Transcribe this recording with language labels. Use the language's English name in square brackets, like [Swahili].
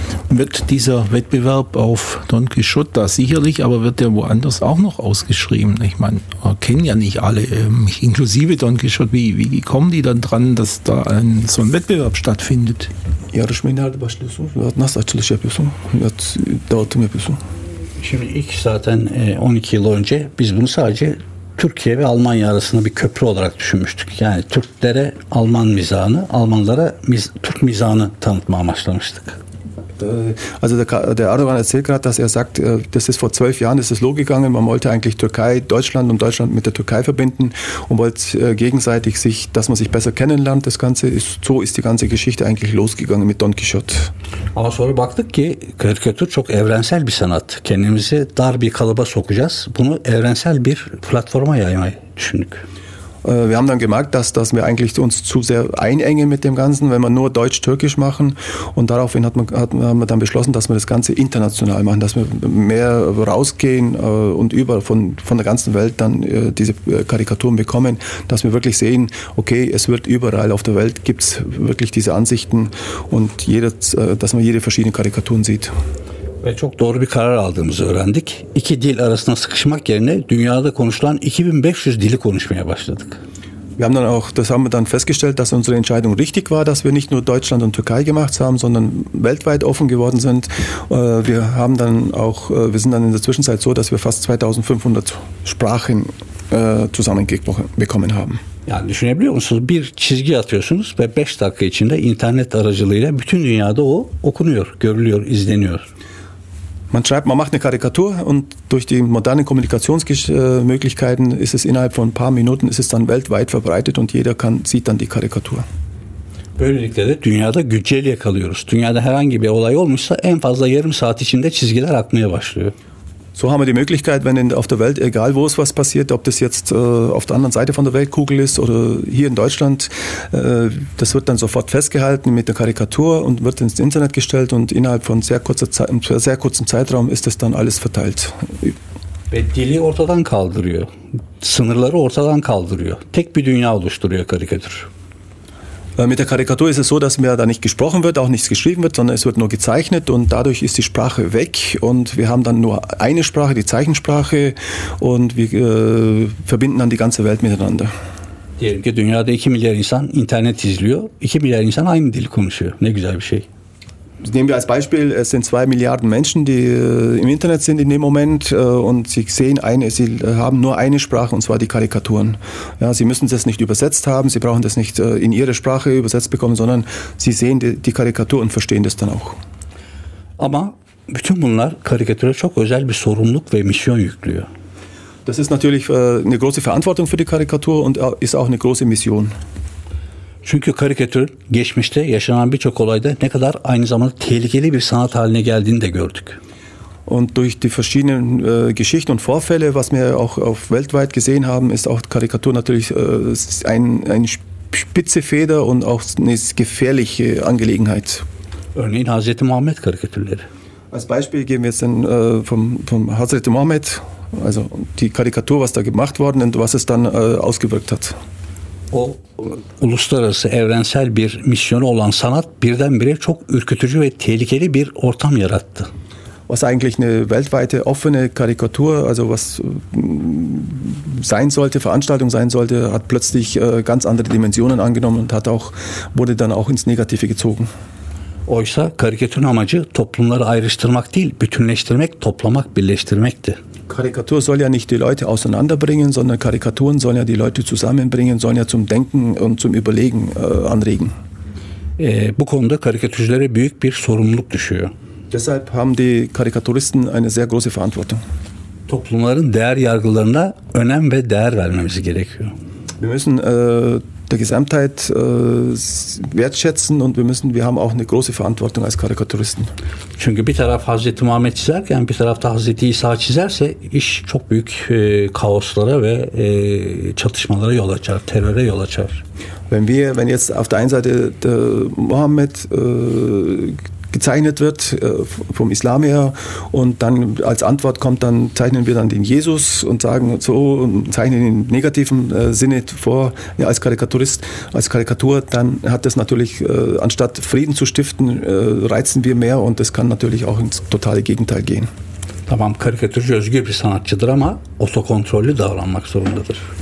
[German] Wird dieser Wettbewerb auf Don Quixote da sicherlich, aber wird der woanders auch noch ausgeschrieben? Ich meine, kennen ja nicht alle, mich inklusive Don Quixote. Wie kommen die dann dran, dass da so ein Wettbewerb stattfindet? Ja, das ist halt was los. Wird nass, als ich habe so. Wird dauert mir so. Ich sagte, 12 Jahre [Turkish] önce, biz bunu sadece Türkiye ve Almanya arasında bir köprü olarak düşünmüştük. Yani Türklere Alman mizahını, Almanlara Türk mizahını tanıtma amaçlamıştık. [German] Also der Erdogan erzählt gerade, dass er sagt, das ist vor 12 Jahren, das ist losgegangen. Man wollte eigentlich Türkei, Deutschland und Deutschland mit der Türkei verbinden und wollte gegenseitig sich, dass man sich besser kennenlernt. Das Ganze ist so, ist die ganze Geschichte eigentlich losgegangen mit Don Quixote. [Turkish] Aber sonra baktık ki karikatür çok evrensel bir sanat. Kendimizi dar bir kalıba sokacağız. Bunu evrensel bir platforma yaymayı düşündük. [German] Wir haben dann gemerkt, dass wir eigentlich uns zu sehr einengen mit dem Ganzen, wenn wir nur deutsch-türkisch machen. Und daraufhin haben wir dann beschlossen, dass wir das Ganze international machen, dass wir mehr rausgehen und überall von der ganzen Welt dann diese Karikaturen bekommen, dass wir wirklich sehen, okay, es wird überall auf der Welt, gibt es wirklich diese Ansichten und dass man jede verschiedene Karikaturen sieht. [Turkish] Ve çok doğru bir karar aldığımızı öğrendik. İki dil arasına sıkışmak yerine dünyada konuşulan 2500 dili konuşmaya başladık. [German] Wir haben dann auch, das haben wir dann festgestellt, dass unsere Entscheidung richtig war, dass wir nicht nur Deutschland und Türkei gemacht haben, sondern weltweit offen geworden sind. Wir haben dann auch, wir sind dann in der Zwischenzeit so, dass wir fast 2500 Sprachen zusammenbekommen haben. [Turkish] Yani düşünebiliyor musunuz? Bir çizgi atıyorsunuz ve 5 dakika içinde internet aracılığıyla bütün dünyada o okunuyor, görülüyor, izleniyor. [German] Man schreibt, man macht eine Karikatur und durch die modernen Kommunikationsmöglichkeiten ist es innerhalb von ein paar Minuten ist es dann weltweit verbreitet und jeder sieht dann die Karikatur. [Turkish] Böylelikle de dünyada güceliye kalıyoruz. Dünyada herhangi bir olay olmuşsa en fazla yarım saat içinde çizgiler akmaya başlıyor. [German] So haben wir die Möglichkeit, wenn auf der Welt, egal wo es was passiert, ob das jetzt auf der anderen Seite von der Weltkugel ist oder hier in Deutschland, das wird dann sofort festgehalten mit der Karikatur und wird ins Internet gestellt und innerhalb von sehr kurzem Zeitraum ist das dann alles verteilt. [Turkish] Ve dili ortadan kaldırıyor. Sınırları ortadan kaldırıyor. Tek bir dünya oluşturuyor karikatür. [German] Mit der Karikatur ist es so, dass mir da nicht gesprochen wird, auch nichts geschrieben wird, sondern es wird nur gezeichnet und dadurch ist die Sprache weg und wir haben dann nur eine Sprache, die Zeichensprache und wir verbinden dann die ganze Welt miteinander. [Turkish] Diyelim ki dünyada 2 milyar insan internet izliyor, 2 milyar insan aynı dil konuşuyor. Ne güzel bir şey. [German] Nehmen wir als Beispiel, es sind 2 Milliarden Menschen, die im Internet sind in dem Moment und sie sehen eine, sie haben nur eine Sprache und zwar die Karikaturen. Ja, sie müssen das nicht übersetzt haben, sie brauchen das nicht in ihre Sprache übersetzt bekommen, sondern sie sehen die Karikatur und verstehen das dann auch. [Turkish] Aber bütün bunlar karikatüre çok özel bir sorumluluk ve misyon yüklüyor. [German] Das ist natürlich eine große Verantwortung für die Karikatur und ist auch eine große Mission. [Turkish] Çünkü karikatür geçmişte yaşanan birçok olayda ne kadar aynı zamanda tehlikeli bir sanat haline geldiğini de gördük. [German] Und durch die verschiedenen Geschichten und Vorfälle, was wir auch auf weltweit gesehen haben, ist auch Karikatur natürlich ein spitze Feder und auch eine gefährliche Angelegenheit. [Turkish] Örneğin Hazreti Muhammed karikatürleri. [German] Als Beispiel geben wir jetzt den, vom Hazreti Mohammed, also die Karikatur, was da gemacht worden und was es dann ausgewirkt hat. [Turkish] O uluslararası evrensel bir misyonu olan sanat birdenbire çok ürkütücü ve tehlikeli bir ortam yarattı. [German] Was eigentlich eine weltweite offene Karikatur, also was sein sollte, Veranstaltung sein sollte, hat plötzlich ganz andere Dimensionen angenommen und hat auch, wurde dann auch ins Negative gezogen. [Turkish] Oysa karikatürün amacı toplumları ayrıştırmak değil, bütünleştirmek, toplamak, birleştirmekti. [German] Karikatur soll ja nicht die Leute auseinanderbringen, sondern Karikaturen sollen ja die Leute zusammenbringen, sollen ja zum Denken und zum Überlegen anregen. [Turkish] Bu konuda karikatürcülere büyük bir sorumluluk düşüyor. [German] Deshalb haben die Karikaturisten eine sehr große Verantwortung. [Turkish] Toplumların değer yargılarına önem ve değer vermemiz gerekiyor. [German] Wir müssen der Gesamtheit wertschätzen und wir haben auch eine große Verantwortung als Karikaturisten. [Turkish] Çünkü bir taraf Hazreti Muhammed çizerken bir taraf da Hazreti İsa çizerse iş çok büyük kaoslara ve çatışmalara yol açar, teröre yol açar. [German] Wenn jetzt auf der einen Seite der Mohammed gezeichnet wird vom Islam her und dann als Antwort kommt, dann zeichnen wir dann den Jesus und sagen so, zeichnen ihn im negativen Sinne vor, ja, als Karikaturist, als Karikatur, dann hat das natürlich, anstatt Frieden zu stiften, reizen wir mehr und das kann natürlich auch ins totale Gegenteil gehen. [Turkish] Tamam, karikatürcü özgür bir sanatçıdır ama otokontrollü davranmak zorundadır.